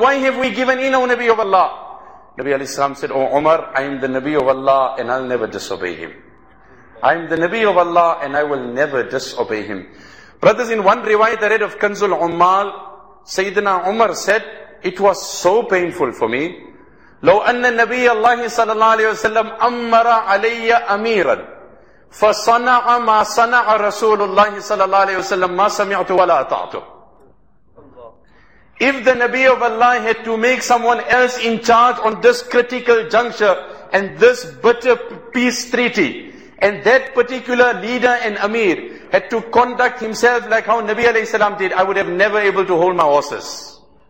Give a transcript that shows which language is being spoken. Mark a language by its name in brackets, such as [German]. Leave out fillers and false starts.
[English] Why have we given in, O Nabi of Allah? Nabi alayhi salam said, oh Umar, I am the Nabi of Allah and I'll never disobey him. I am the Nabi of Allah and I will never disobey him. Brothers, in one riwayat I read of Kanzul Ummal, Sayyidina Umar said, it was so painful for me. [Arabic] لو أن النبي الله صلى الله عليه وسلم أمر علي أميرا فصنع ما صنع رسول الله صلى الله عليه وسلم ما سمعت ولا أطعت. [English] If the Nabi of Allah had to make someone else in charge on this critical juncture and this bitter peace treaty, and that particular leader and Amir had to conduct himself like how Nabi alayhi salam did, I would have never able to hold my horses.